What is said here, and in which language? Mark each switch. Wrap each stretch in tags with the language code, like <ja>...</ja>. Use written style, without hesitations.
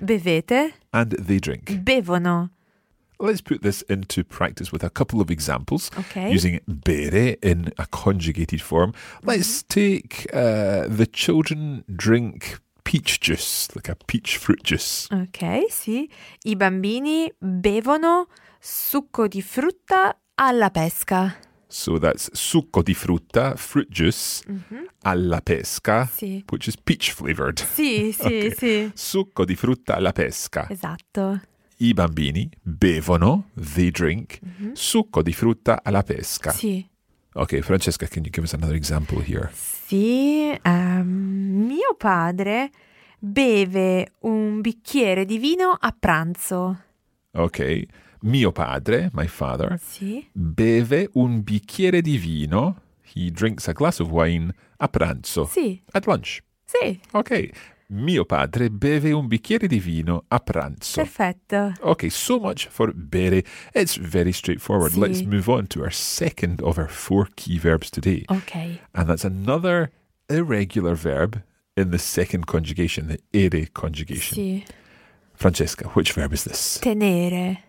<it>Bevete.</it> <en>And they drink.</en> <it>Bevono.</it> <en>Let's put this into practice with a couple of examples. Okay. Using bere in a conjugated form. Let's take the children drink peach juice, like a peach fruit juice. Okay, sì.</en> <it>I bambini bevono succo di frutta alla pesca.</it> <en>So that's</en> <it>succo di frutta,</it> <en>fruit juice,</en> <it>alla pesca, sì.</it> <en>Which is peach flavored.</en> <it>Sì, sì, okay. Sì. Succo di frutta alla pesca. Esatto. I bambini bevono,</it> <en>they drink,</en> <it>succo di frutta alla pesca. Sì.</it> <en>Okay, Francesca, can you give us another example here?</en> <it>Sì, mio padre beve un bicchiere di vino a pranzo. Okay, mio padre,</it> <en>my father,</en> <it>sì, beve un bicchiere di vino,</it> <en>he drinks a glass of wine,</en> <it>a pranzo. Sì.</it> <en>At lunch.</en> <it>Sì.</it> <en>Okay.</en> <it>Mio padre beve un bicchiere di vino a pranzo. Perfetto.</it> <en>Okay, so much for bere. It's very straightforward.</en> <it>Sì.</it> <en>Let's move on to our second of our four key verbs today. Okay. And that's another irregular verb in the second conjugation, the ere conjugation.</en> <it>Sì.</it> <en>Francesca, which verb is this?</en> <it>Tenere.</it>